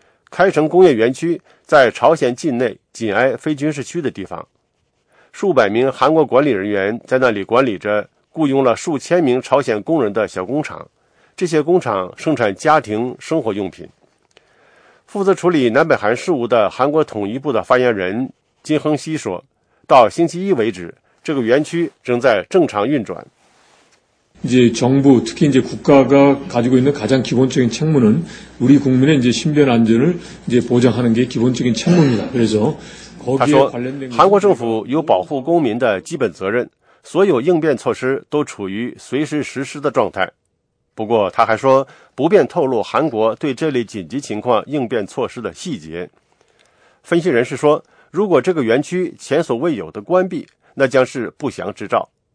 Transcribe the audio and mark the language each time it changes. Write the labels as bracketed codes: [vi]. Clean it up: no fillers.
[zh] 开城工业园区在朝鲜境内紧挨非军事区的地方，数百名韩国管理人员在那里管理着雇佣了数千名朝鲜工人的小工厂，这些工厂生产家庭生活用品。负责处理南北韩事务的韩国统一部的发言人金亨熙说，到星期一为止，这个园区正在正常运转。 [ko] 이제정부특히이제국가가가지고있는가장기본적인책무는우리국민의이제신변안전을이제보장하는게기본적인책무입니다그래서 [zh] 他说，韩国政府有保护公民的基本责任，所有应变措施都处于随时实施的状态。不过他还说，不便透露韩国对这类紧急情况应变措施的细节。分析人士说，如果这个园区前所未有的关闭，那将是不祥之兆。